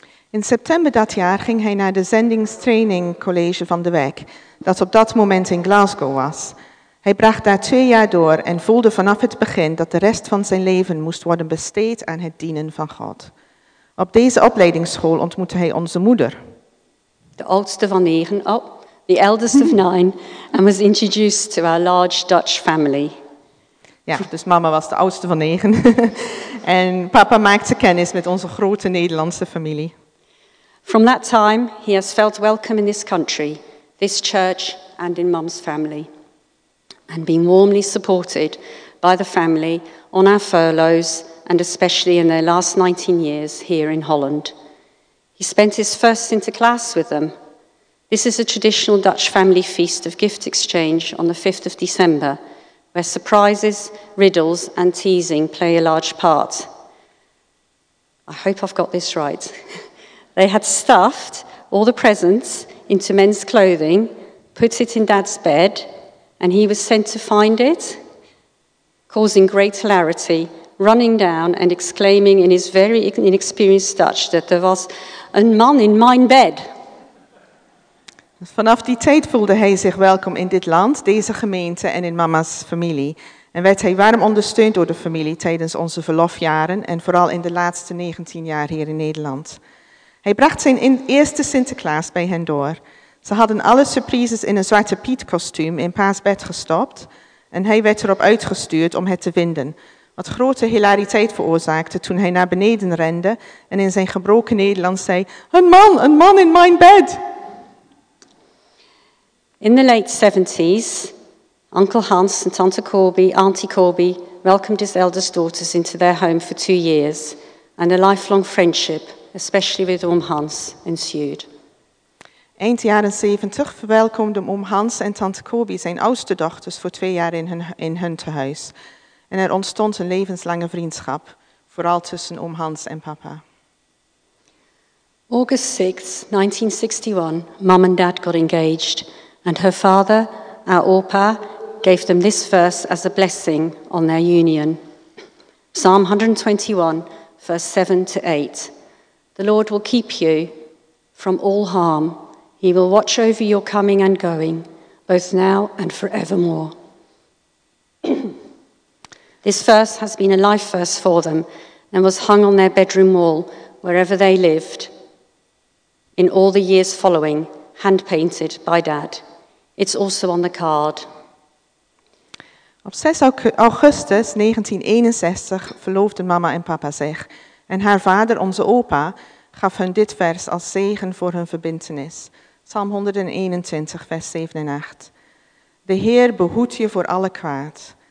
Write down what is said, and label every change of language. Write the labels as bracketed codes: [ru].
[nl] In september dat jaar ging hij naar de zendingstraining college van de WEC, dat op dat moment in Glasgow was. Hij bracht daar 2 jaar door en voelde vanaf het begin dat de rest van zijn leven moest worden besteed aan het dienen van God. Op deze opleidingsschool ontmoette hij onze moeder. [en] The eldest of nine, and was introduced to our large Dutch family. [nl] Ja, dus mama was de oudste van 9. En papa maakte kennis met onze grote Nederlandse familie. [en] From that time, he has felt welcome in this country, this church, and in mom's family. And been warmly supported by the family on our furloughs, and especially in their last 19 years here in Holland. He spent his first interclass with them. This is a traditional Dutch family feast of gift exchange on the 5th of December, where surprises, riddles, and teasing play a large part. I hope I've got this right. They had stuffed all the presents into men's clothing, put it in Dad's bed, and he was sent to find it, causing great hilarity, running down and exclaiming in his very inexperienced Dutch that there was a man in [nl] mijn bed. Vanaf die tijd voelde hij zich welkom in dit land, deze gemeente en in mama's familie. En werd hij warm ondersteund door de familie tijdens onze verlofjaren en vooral in de laatste 19 jaar hier in Nederland. Hij bracht zijn eerste Sinterklaas bij hen door. Ze hadden alle surprises in een Zwarte Piet kostuum in pa's bed gestopt en hij werd erop uitgestuurd om het te vinden, wat grote hilariteit veroorzaakte toen hij naar beneden rende en in zijn gebroken Nederlands zei, een man in mijn bed. [en] In the late 70s, Uncle Hans and Tante Corby, Auntie Corby, welcomed his eldest daughters into their home for 2 years and a lifelong friendship, especially with Oom Hans, ensued. [nl] Eind jaren 70 verwelkomden Oom Hans en Tante Corby zijn oudste dochters voor 2 jaar in hun tehuis. En er ontstond een levenslange vriendschap, vooral tussen Oom Hans en papa. [en] August 6, 1961, Mom and Dad got engaged. And her father, our opa, gave them this verse as a blessing on their union. Psalm 121, verse 7 to 8. The Lord will keep you from all harm. He will watch over your coming and going, both now and forevermore. This verse has been a life verse for them and was hung on their bedroom wall wherever they lived in all the years following, hand-painted by Dad. It's also on the card. [nl] Op 6 augustus 1961 verloofden mama en papa zich. En haar vader, onze opa, gaf hun dit vers als zegen voor hun verbintenis. Psalm 121, vers 7 en 8. De Heer behoedt je voor alle kwaad.